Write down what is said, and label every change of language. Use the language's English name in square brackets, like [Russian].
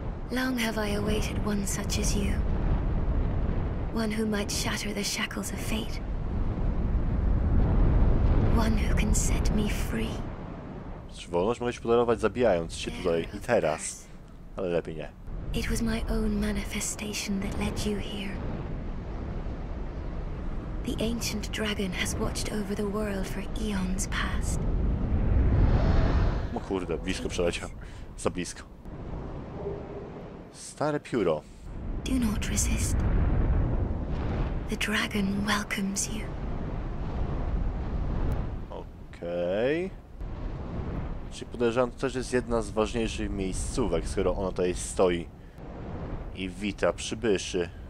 [English] Long have I awaited one such as you. One who might shatter the shackles of fate. One who can set me free. [Polish] Wolność mogę ci podarować zabijając się tutaj i teraz. Ale lepiej nie. [English] It was my own manifestation that led you here. The ancient dragon has watched over the world for eons past. [Polish] O kurde, blisko przeleciał. Za blisko. Stare pióro. [English] Do not resist. The dragon welcomes you. [Polish] Okej. Czyli podejrzewam, to też jest jedna z ważniejszych miejscówek, skoro ona tutaj stoi. I wita przybyszy.